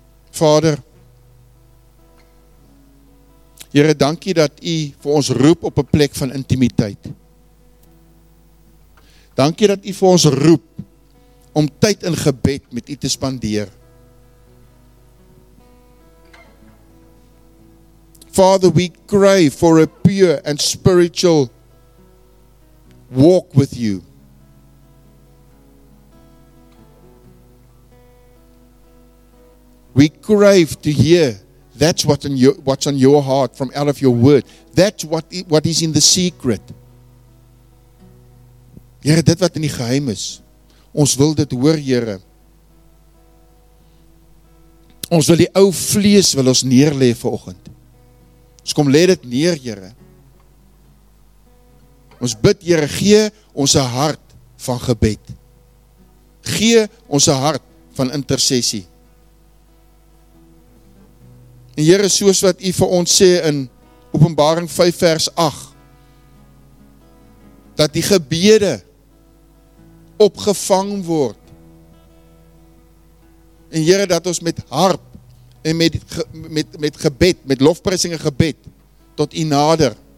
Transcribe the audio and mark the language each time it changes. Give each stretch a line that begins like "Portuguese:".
Afrikaans: Vader, Here, dankie dat U vir ons roep op 'n plek van intimiteit. Dankie dat U vir ons roep om tyd in gebed met U te spandeer.
English: Father, we cry for a pure and spiritual walk with You. We crave to hear that's what's on your heart from out of your word. That's what is in the secret.
Afrikaans: Here, dit wat in die geheim is. Ons wil dit hoor, Here. Ons wil die ou vlees wil ons neerlê vanoggend. Ons kom lê dit neer, Here. Ons bid, Here, gee ons 'n hart van gebed. Gee ons 'n hart van intersessie. En Here, soos wat U vir ons sê in Openbaring 5 vers 8, dat die gebede opgevang word. En Here, dat ons met harp en met gebed, met lofprysing en gebed, tot U nader.